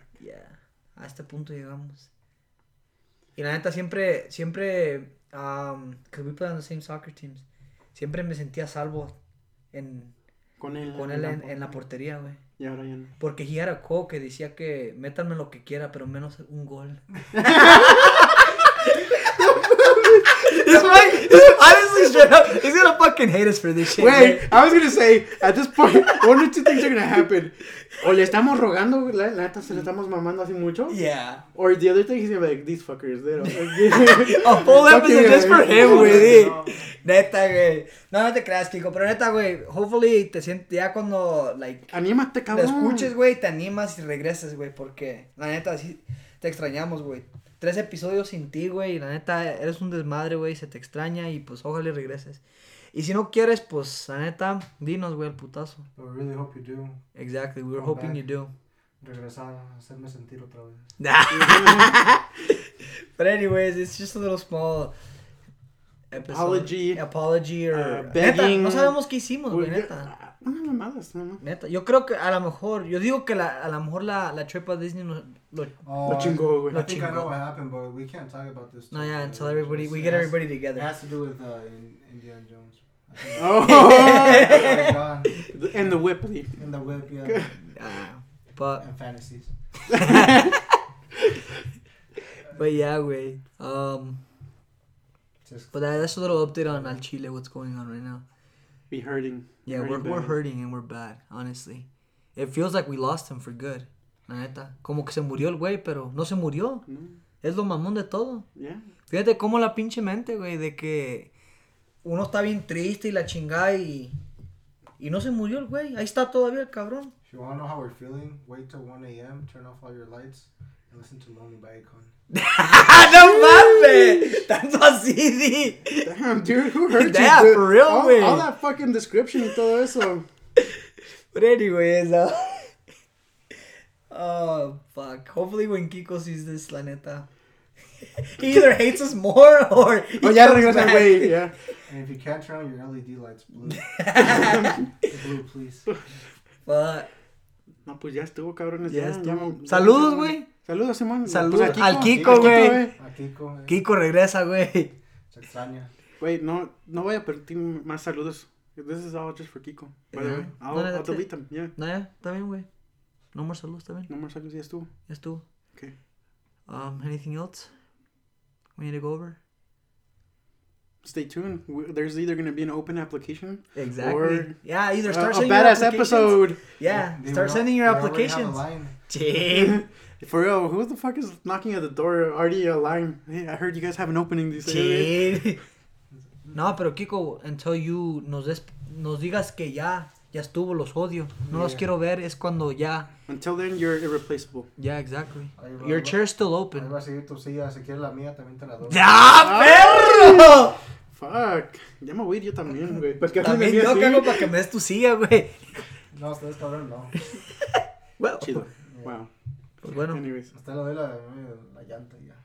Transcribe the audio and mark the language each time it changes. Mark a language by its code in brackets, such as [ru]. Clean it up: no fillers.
[es] Yeah. A este punto llegamos. Y la neta, siempre, siempre, [en] because we play on the same soccer teams. [es] Siempre me sentía salvo en... Con él en la portería, güey. Y ahora ya no. Porque he era co que decía que métanme lo que quiera, pero menos un gol. [en] This man, honestly, straight up, he's gonna fucking hate us for this shit. Wait, man. I was gonna say, at this point, one or two things are gonna happen. [es] O le estamos rogando, la neta, se le estamos mamando así mucho. [en] Yeah. Or the other thing, he's gonna be like, these fuckers, they don't. A whole episode just for him, güey. [es] No, neta, güey. No, no te creas, Kiko, pero neta, güey, hopefully te sientes ya cuando, like. Anímate, cabrón. Te escuches, güey, te animas y regresas, güey, porque, la neta, sí, te extrañamos, güey. 3 episodios sin ti, güey, la neta, eres un desmadre, güey, se te extraña y, pues, ojalá y regreses. Y si no quieres, pues, la neta, dinos, güey, al putazo. [en] We really hope you do. Exactly, we're come hoping back. You do. [es] Regresar, hacerme sentir otra vez. [en] But anyways, it's just a little small episode. Apology. Apology or... begging. [es] Neta, no sabemos qué hicimos, güey, neta. Neta, yo creo que a lo mejor, yo digo que a lo mejor la trip a Disney lo chingó, güey. [en] I think chingo. I know what happened, but we can't talk about this. No, yeah, until everybody, we get everybody together. It has to do with Indiana Jones. Oh! And the whip, please. And the whip, yeah. But. And fantasies. But yeah, güey. But that's a little update on Al Chile, what's going on right now. Be hurting. Yeah, we're hurting and we're bad, honestly. It feels like we lost him for good. [es] La neta. Como que se murió el güey, pero no se murió. No. Es lo mamón de todo. Yeah. Fíjate cómo la pinche mente, güey, de que uno está bien triste y la chingada y no se murió el güey. Ahí está todavía el cabrón. [en] If you want to know how we're feeling, wait till 1 a.m., turn off all your lights, and listen to Lonely by Akon. [es] No mames, tanto así. [en] Damn, dude, who hurt you? Yeah, for real, all, man. All that fucking description and [es] todo eso. [en] But anyways, oh fuck. Hopefully, when Kiko sees this, [es] la neta, [en] he either hates us more or oh yeah, [es] regresa, güey. [en] Yeah. And if you can't turn on your LED lights, blue, blue, please. But [es] no, pues ya estuvo, cabrones. Ya estuvo. Saludos, güey. Saludos, Simón. Saludos pues al Kiko, güey. A Kiko. Kiko regresa, güey. Se extraña. Güey, no voy a pedir más saludos. This is all just for Kiko. Yeah. By the way, I'll delete them, yeah. No, ya, está bien, güey. No más saludos, está bien. No más saludos, ya estuvo. Ya estuvo. [en] Okay. Anything else? We need to go over? Stay tuned. There's either going to be an open application. Exactly. Or yeah, either start sending your applications. A badass episode. Yeah, start sending your applications. Jeez. For real, who the fuck is knocking at the door? Already a line. Hey, I heard you guys have an opening these days. [es] No, pero Kiko, [en] until you [es] nos digas que ya estuvo, los odio. No los quiero ver, es cuando ya. [en] Until then, you're irreplaceable. Yeah, exactly. Va, your chair's still open. [es] Ahí va a seguir tu silla, si quieres la mía, también te la doy. ¡Ya, perro! [en] Fuck. [es] Ya me voy a ir yo también, güey. Pues también yo, Kiko, para que me des tu silla, güey. No, ustedes, cabrón, no. [en] Well, chido. Yeah. Wow. [es] Pues bueno, hasta lo de la llanta ya.